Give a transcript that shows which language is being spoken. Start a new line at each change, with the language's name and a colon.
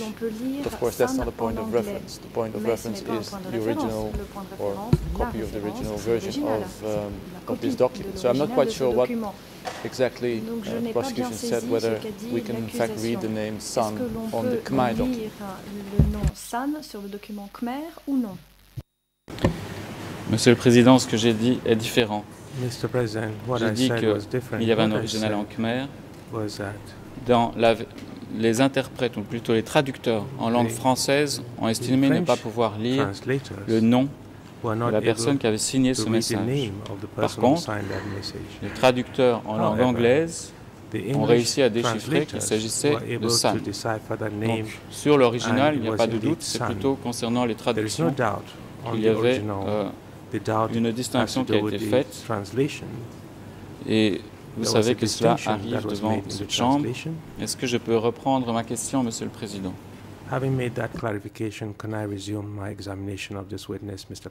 French: Que l'on peut lire,
English: but of course, that's not a point of reference. The point of reference is the original or copy of the original version of this document. So I'm not quite sure what exactly the prosecution said, whether we can in fact read the name San on the Khmer document.
French: Est-ce que l'on peut lire le nom San sur le document Khmer ou non? Monsieur le Président, ce que j'ai dit est différent.
English: Mr. President, what
French: j'ai dit qu'il y avait un original en Khmer. Dans les interprètes, ou plutôt les traducteurs en langue française, ont estimé ne pas pouvoir lire le nom de la personne qui avait signé ce message. Par contre, les traducteurs en langue anglaise ont réussi à déchiffrer qu'il s'agissait de San. Donc, sur l'original, il n'y a pas de doute, c'est plutôt concernant les traductions qu'il y avait une distinction qui a été faite, et vous savez que cela arrive devant cette chambre. Est-ce que je peux reprendre ma question, Monsieur le Président?
English: Having made that clarification, can I resume my examination of this witness, Mr.